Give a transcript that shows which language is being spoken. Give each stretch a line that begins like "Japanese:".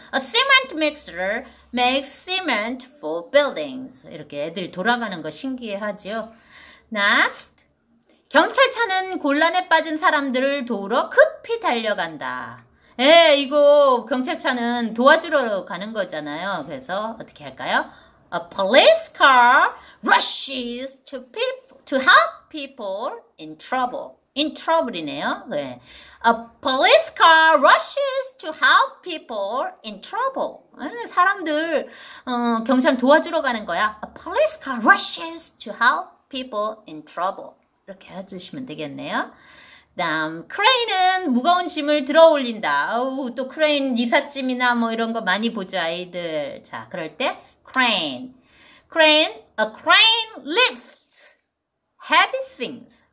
English: A cement mixer makes cement for buildings.
Korean: 이렇게 애들 돌아가는 거 신기해하지요.
English: Next.
Korean: 경찰차는 곤란에 빠진 사람들을 도우러 급히 달려간다. 예, 이거 경찰차는 도와주러 가는 거잖아요. 그래서 어떻게 할까요?
English: A police car rushes to help people in trouble.
Korean: In trouble이네요. 네.
English: A police car rushes to help people in trouble.
Korean: 사람들 경찰 도와주러 가는 거야.
English: A police car rushes to help people in trouble.
Korean: 이렇게 해주시면 되겠네요. 다음, 크레인은 무거운 짐을 들어 올린다. 어우, 또 크레인 이삿짐이나 뭐 이런 거 많이 보죠, 아이들. 자, 그럴 때 크레인.
English: A crane lifts heavy things.